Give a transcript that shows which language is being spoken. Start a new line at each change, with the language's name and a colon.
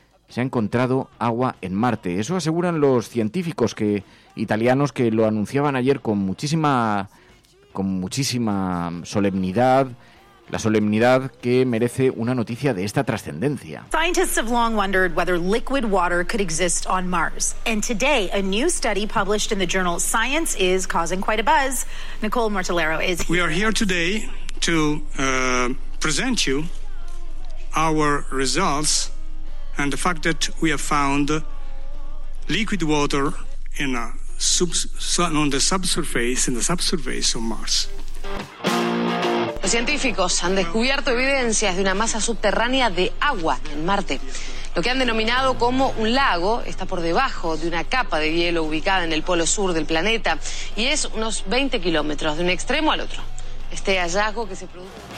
Spanish: Se ha encontrado agua en Marte. Eso aseguran los científicos italianos que lo anunciaban ayer con muchísima solemnidad. La solemnidad que merece una noticia de esta trascendencia.
English: Scientists have long wondered whether liquid water could exist on Mars. And today, a new study published in the journal Science is causing quite a buzz. Nicole Mortellaro is here. We are here today to present you our results and the fact that we have found liquid water in the subsurface of Mars.
Spanish: Los científicos han descubierto evidencias de una masa subterránea de agua en Marte. Lo que han denominado como un lago está por debajo de una capa de hielo ubicada en el polo sur del planeta y es unos 20 kilómetros de un extremo al otro. Este hallazgo que se produjo.